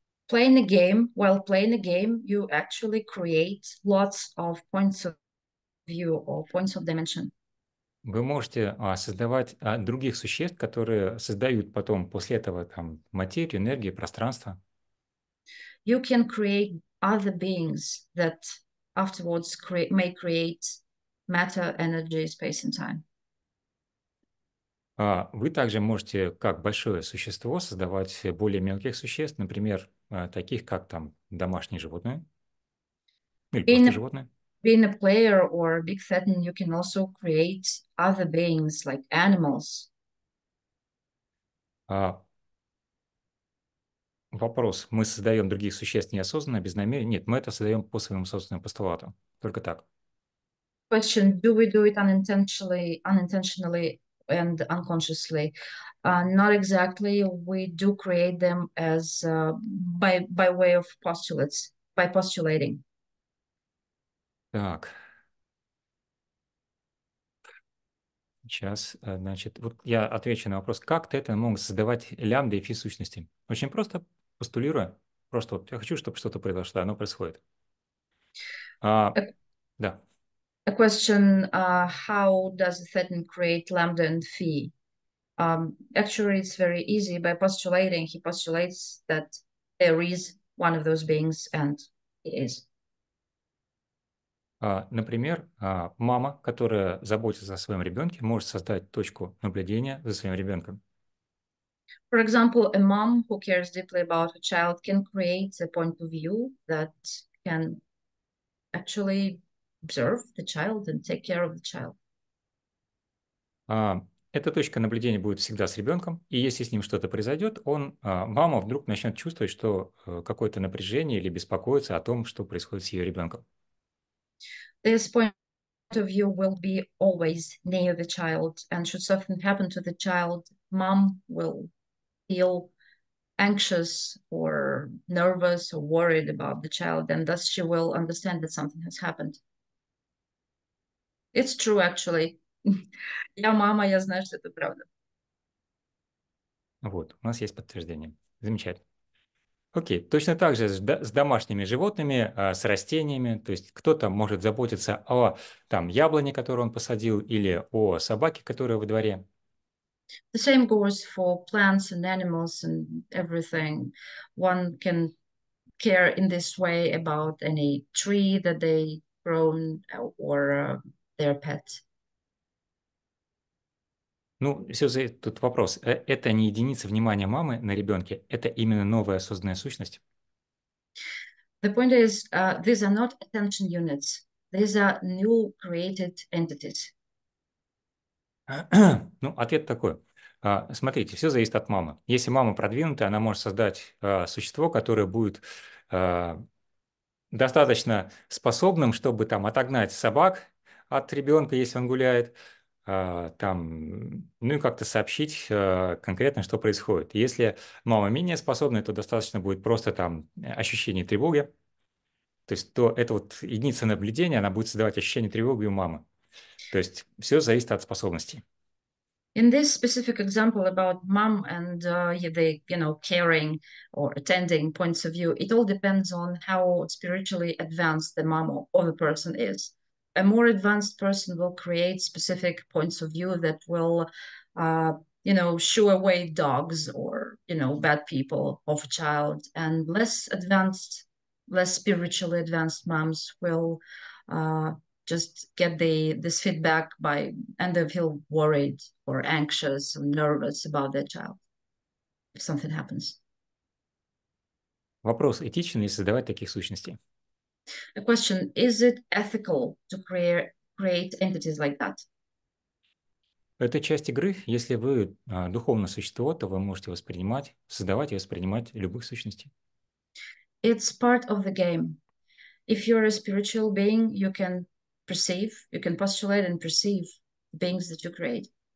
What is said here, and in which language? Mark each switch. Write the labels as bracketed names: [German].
[English] Playing a game, while playing a game, you actually create lots of points of view or points of dimension. [Russian] Вы можете создавать других существ, которые создают потом после этого там материю, энергию, пространство. [English] You can create other beings that afterwards may create matter, energy, space and time. [Russian] Вы также можете как большое существо создавать более мелких существ, например, таких как там домашние животные или просто животные. [English] Being a player or a big threaten, you can also create other beings like animals. [Russian] Вопрос. Мы создаем других существ неосознанно, без намерения? Нет, мы это создаем по своему собственному постулату. Только так. [English] Question. Do we do it unintentionally and unconsciously? Not exactly. We do create them as by way of postulates, by postulating. [Russian] Так, сейчас, значит, вот я отвечу на вопрос, как тета могут создавать лямбда и фи сущности? Очень просто, постулируя, просто вот я хочу, чтобы что-то произошло, оно происходит. Да. [English] A question, how does the theta create lambda and phi? Actually, it's very easy. By postulating, he postulates that there is one of those beings, and it is. [Russian] Например, мама, которая заботится о своем ребенке, может создать точку наблюдения за своим ребенком. [English] For example, a mom who cares deeply about a child can create a point of view that can actually observe the child and take care of the child. [Russian] Эта точка наблюдения будет всегда с ребенком, и если с ним что-то произойдет, он, мама вдруг начнет чувствовать, что какое-то напряжение или беспокоится о том, что происходит с ее ребенком. [English] This point of view will be always near the child, and should something happen to the child, mom will feel anxious or nervous or worried about the child, and thus she will understand that something has happened. It's true, actually. [Russian] Я мама, я знаю, что это правда. Вот, у нас есть подтверждение. Замечательно. Окей, точно так же с домашними животными, с растениями. То есть кто-то может заботиться о там, яблоне, которую он посадил, или о собаке, которая во дворе. [English] The same goes for plants and animals and everything. One can care in this way about any tree that they grow or their pet. [Russian] Ну, все за этот вопрос. Это не единица внимания мамы на ребенке, это именно новая осознанная сущность. [English] The point is, these are not attention units. These are new created entities. [Russian] Ну, ответ такой. Смотрите, все зависит от мамы. Если мама продвинутая, она может создать существо, которое будет достаточно способным, чтобы там отогнать собак от ребенка, если он гуляет. Там, ну и как-то сообщить конкретно, что происходит. Если мама менее способна, то достаточно будет просто там ощущение тревоги. То есть то это вот единица наблюдения, она будет создавать ощущение тревоги у мамы. То есть все зависит от способностей. [English] In this specific example about mom and the you know caring or attending points of view, it all depends on how spiritually advanced the mom or the person is. A more advanced person will create specific points of view that will, you know, shoo away dogs or, you know, bad people of a child. And less advanced, less spiritually advanced moms will just get this feedback by, and they feel worried or anxious or nervous about their child if something happens. [Russian] Вопрос, этичен ли создавать таких сущностей? [English] A question, is it ethical to create entities like that? [Russian] Это часть игры. Если вы духовное существо, то вы можете воспринимать, создавать и воспринимать любых сущностей. [English] It's part of the game. If you're a spiritual being, you can perceive, you can postulate and perceive the beings that you create.